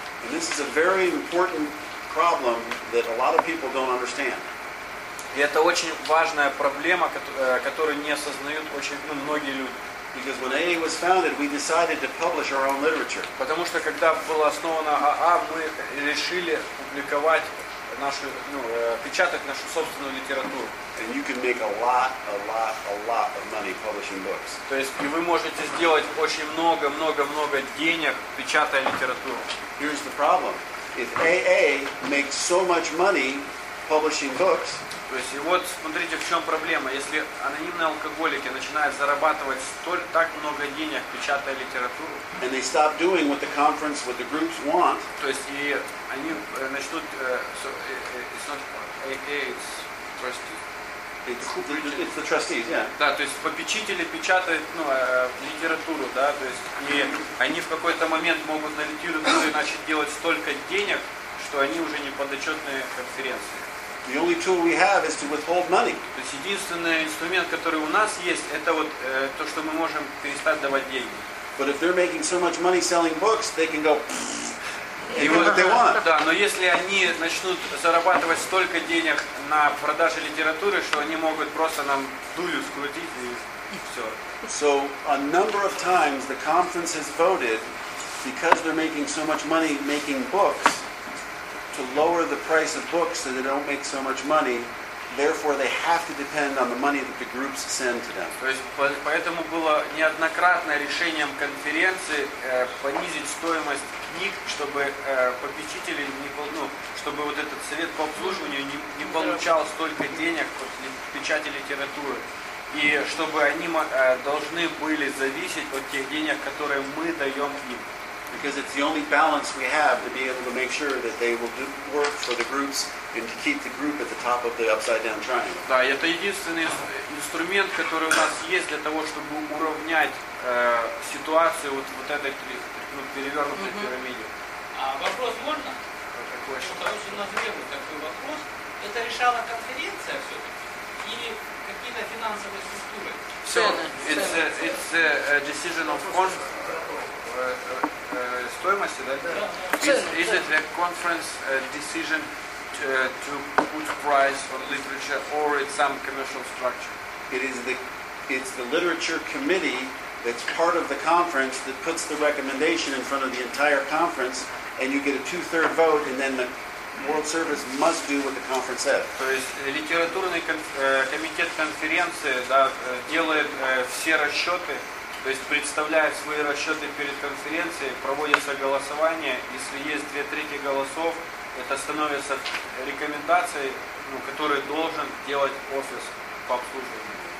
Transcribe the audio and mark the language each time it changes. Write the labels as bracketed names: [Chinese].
[English] And this is a very important problem that a lot of people don't understand. [Russian] И это очень важная проблема, которую не осознают многие люди. [English] Because when AA was founded, we decided to publish our own literature. [Russian] Потому что когда была основана АА, мы решили публиковать нашу, печатать нашу собственную литературу. [English] And you can make a lot of money publishing books. [Russian] То есть и вы можете сделать очень много денег, печатая литературу. [English] Here's the problem. If AA makes so much money publishing books. [Russian] То есть, и вот смотрите, в чем проблема. Если анонимные алкоголики начинают зарабатывать так много денег, печатая литературу, [English] and they stop doing what the conference, what the groups want, [Russian] то есть, и они начнут, [English] it's not AA, it's trustees. It's the trustees, yeah. [Russian] Да, то есть, попечители печатают литературу, да, то есть, и они в какой-то момент могут на литературу начать делать столько денег, что они уже не подотчетные конференции. [English] The only tool we have is to withhold money. [Russian] То есть единственный инструмент, который у нас есть, это вот то, что мы можем перестать давать деньги. [English] But if they're making so much money selling books, they can go and do what they want. [Russian] Да, но если они начнут зарабатывать столько денег на продаже литературы, что они могут просто нам дулю скрутить и все. [English] So a number of times the conference has voted because they're making so much money making books. To lower the price of books so they don't make so much money Therefore, they have to depend on the money that the groups send to them. [Russian] То есть поэтому было неоднократно решением конференции понизить стоимость книг, чтобы попечители не ну чтобы вот этот совет по обслуживанию не получал столько денег после печати литературы, и чтобы они должны были зависеть от тех денег, которые мы даем им. [English] Because it's the only balance we have to be able to make sure that they will do work for the groups and to keep the group at the top of the upside down triangle. [Russian] Да, это единственный инструмент, который у нас есть для того, чтобы уравнять ситуацию вот этой перевернутой пирамиде. А вопрос можно? Потому что у нас требует такой вопрос. Это решало конференция все-таки или какие-то финансовые структуры? [English] So, it's a decision of is it a conference decision to put price on literature or it's some commercial structure? It's the literature committee that's part of the conference that puts the recommendation in front of the entire conference, and you get a two-third vote, and then the World Service must do what the conference said. [Russian] То есть литературный комитет конференции делает все расчеты. То есть представляет свои расчеты перед конференцией, проводится голосование, если есть 2/3 голосов, это становится рекомендацией, ну, которую должен делать офис по обслуживанию.